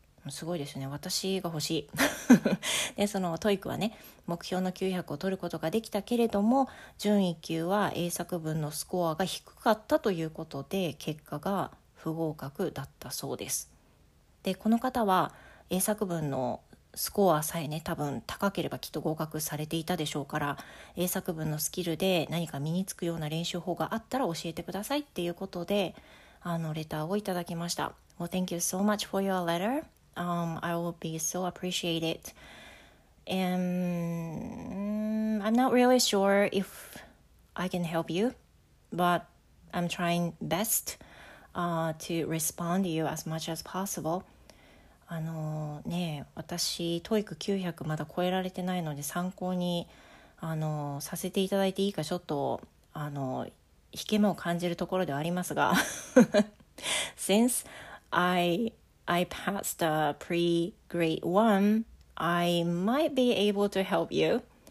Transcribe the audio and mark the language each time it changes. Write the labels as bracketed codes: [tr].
[ja] すごいですね、私が欲しいでその TOEIC はね、目標の900を取ることができたけれども、準1級は英作文のスコアが低かったということで結果が不合格だったそうです。でこの方は英作文のスコアさえね、多分高ければきっと合格されていたでしょうから、英作文のスキルで何か身につくような練習法があったら教えてくださいっていうことで、あのレターをいただきました。 [en] Well, thank you so much for your letter. I will be so appreciate it. And I'm not really sure if I can help you, but I'm trying bestto respond to you as much as possible. [ja] あのね、私 TOEIC 900まだ超えられてないので、参考にあのさせていただいていいか、ちょっとあの引け目を感じるところではありますが [en] Since I passed a pre-grade 1, I might be able to help you.